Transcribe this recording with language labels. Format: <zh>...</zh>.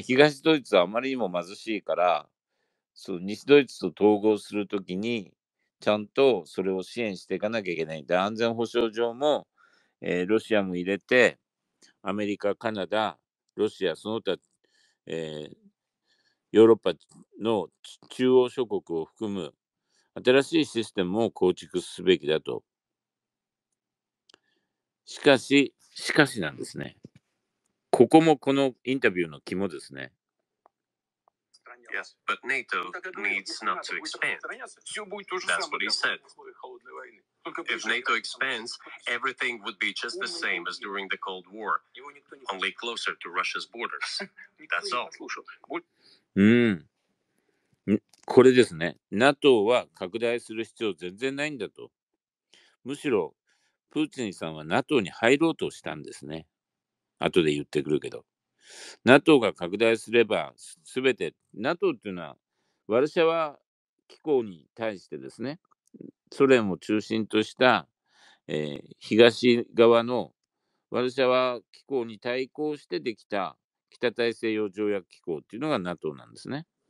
<ja>東ドイツはあまりにも貧しいから、そう、西ドイツと統合するときに、ちゃんとそれを支援していかなきゃいけない。で、安全保障上も、ロシアも入れて、アメリカ、カナダ、ロシア、その他、ヨーロッパの中央諸国を含む新しいシステムを構築すべきだと。しかしなんですね。ここもこのインタビューの肝ですね。</ja> <en>Yes, but NATO needs not to expand. That's what he said. If NATO expands, everything would be just the same as during the Cold War, only closer to Russia's borders. That's all.</en> <ja>これですね。 NATO は拡大する必要全然ないんだと。むしろ、プーチンさんは NATO に入ろうとしたんですね。後で言ってくるけど。NATO が拡大すれば、すべて、NATO っていうのは、ワルシャワ機構に対してですね、ソ連を中心とした、東側のワルシャワ機構に対抗してできた北大西洋条約機構っていうのが NATO なんですね。</ja>